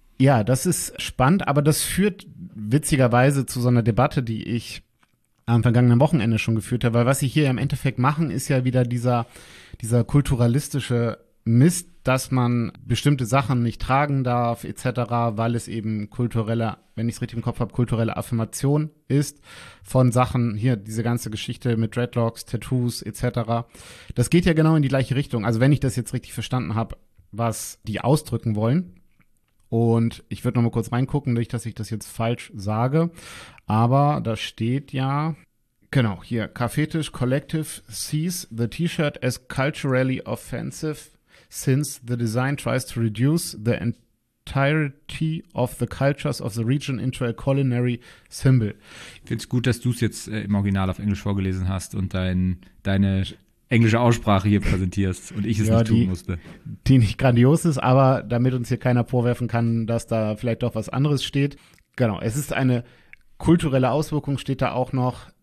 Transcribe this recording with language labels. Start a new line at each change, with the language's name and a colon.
German: Ja, das ist spannend, aber das führt witzigerweise zu so einer Debatte, die ich am vergangenen Wochenende schon geführt habe, weil was sie hier im Endeffekt machen, ist ja wieder dieser kulturalistische Mist, dass man bestimmte Sachen nicht tragen darf etc., weil es eben kulturelle, wenn ich es richtig im Kopf habe, kulturelle Affirmation ist von Sachen, hier diese ganze Geschichte mit Dreadlocks, Tattoos etc. Das geht ja genau in die gleiche Richtung, also wenn ich das jetzt richtig verstanden habe, was die ausdrücken wollen. Und ich würde noch mal kurz reingucken, nicht, dass ich das jetzt falsch sage. Aber da steht ja, genau, hier,
English: Cafetisch Collective sees the T-Shirt as culturally offensive, since the design tries to reduce the entirety of the cultures of the region into a culinary symbol.
German: Ich finde es gut, dass du es jetzt im Original auf Englisch vorgelesen hast und deine englische Aussprache hier präsentierst und ich es ja, nicht tun musste. Die nicht grandios ist, aber damit uns hier keiner vorwerfen kann, dass da vielleicht doch was anderes steht. Genau, es ist eine kulturelle Auswirkung, steht da auch noch.